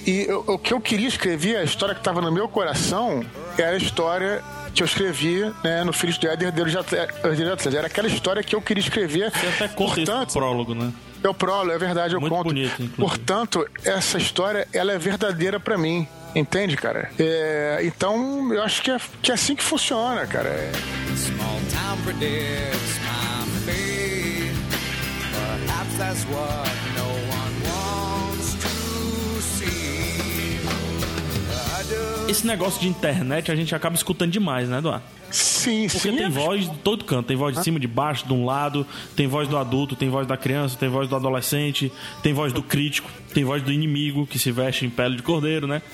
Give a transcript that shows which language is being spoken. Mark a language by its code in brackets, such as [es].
[pt] E o que eu queria escrever, a história que estava no meu coração, era a história que eu escrevi, né, no Filhos do Éden, Herdeiro de Atlântida. Era aquela história que eu queria escrever. Você até conta, portanto, esse prólogo, né? É o prólogo, é verdade, eu muito conto. Bonito, inclusive. Portanto, essa história, ela é verdadeira pra mim. Entende, cara? Então, eu acho que é assim que funciona, cara. [en] Small town for this time of day. Perhaps that's what no one wants to see. [pt] Esse negócio de internet, a gente acaba escutando demais, né, Eduardo? Sim, porque sim. Porque tem voz de todo canto. Tem voz de cima, de baixo, de um lado. Tem voz do adulto, tem voz da criança, tem voz do adolescente. Tem voz do crítico. Tem voz do inimigo que se veste em pele de cordeiro, né?